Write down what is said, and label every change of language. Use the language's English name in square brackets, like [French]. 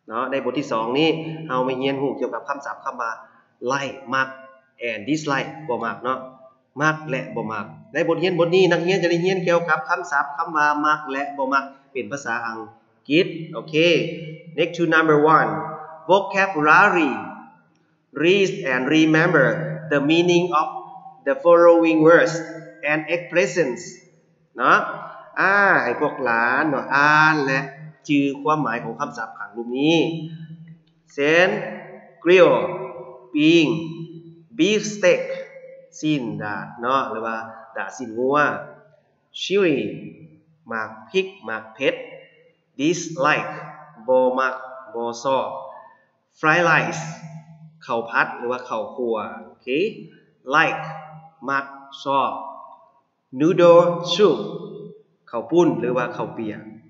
[Thai] ในบทที่สองนี้เรามาเรียนรู้เกี่ยวกับคำศัพท์คำว่า like มาก and dislike บ่มากเนาะมากและบ่มากในบทเรียนบทนี้นักเรียนจะได้เรียนเกี่ยวกับคำศัพท์คำว่ามากและบ่มากเป็นภาษาอังกฤษโอเค [English] Next to number one, vocabulary. Read and remember the meaning ofThe following words and expressions. [Thai] นะให้พวกหลานอ่านและจื้อความหมายของคำศัพท์ข้างรูปนี้ เช่น grill being beef steak สิ้นดาเนาะหรือว่าดาสิ้นงัว chili หมากพริกหมากเผ็ด dislike บ่มักบ่ชอบ fried rice ข้าวผัดหรือว่าข้าวคั่วโอเค likeมักชอบ noodle soup ข้าวปุ้นหรือว่าข้าวเปียก